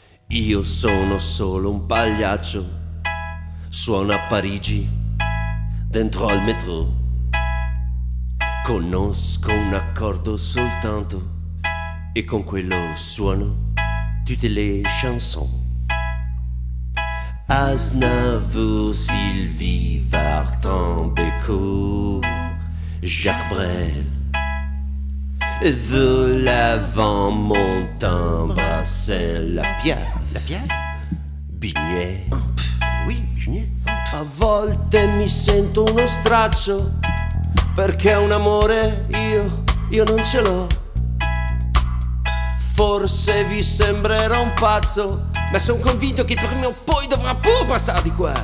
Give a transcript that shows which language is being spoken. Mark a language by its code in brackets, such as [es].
[it] Io sono solo un pagliaccio, suono a Parigi dentro al metro. Conosco un accordo soltanto e con quello suono tutte le chansons. [fr] Aznavour, Sylvie Vartan, Bécaud, Jacques Brel, de l'avant mon timbre, c'est la pierre. La pierre? Bignet. Oh, oui, Bignet. Oh. [it] A volte mi sento uno straccio, perché un amore io non ce l'ho. Forse vi sembrerò un pazzo, ma sono convinto che prima o poi dovrà pur passare di qua.